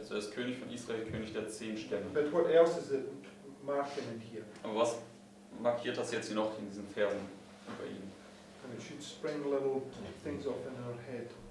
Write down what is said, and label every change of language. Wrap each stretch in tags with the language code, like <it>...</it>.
<de>So er ist König von Israel, König der 10 Stämme.</de> <en>But what else is it marking in here?</en> <de>Aber was markiert das jetzt hier noch in diesen Versen über ihn?</de> <en>And it should spring little things off in our head.</en>